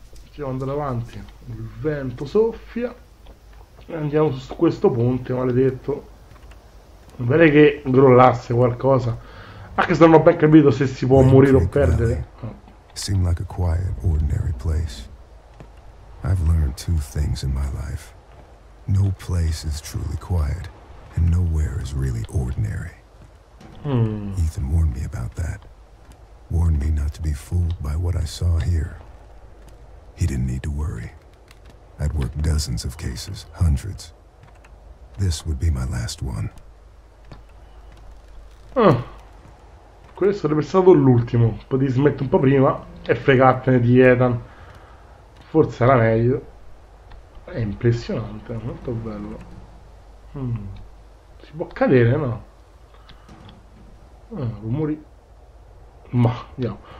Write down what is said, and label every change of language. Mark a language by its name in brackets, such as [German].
[Italian] Stiamo andando avanti, il vento soffia. E andiamo su questo ponte, maledetto. Non vorrei che grollasse qualcosa. Anche se non ho ben capito se si può morire o perdere. [English] Seem like a quiet, ordinary place. I've learned two things in my life. No place is truly quiet, and nowhere is really ordinary. Ethan warned me about that. Warned me not to be fooled by what I saw here. He didn't need to worry. I'd worked dozens of cases, hundreds. This would be my last one. [Italian] Questo sarebbe stato l'ultimo. Poi smetto un po' prima e fregattene di Ethan. Forse era meglio. È impressionante, molto bello. Si può cadere, no? Rumori. Ma andiamo.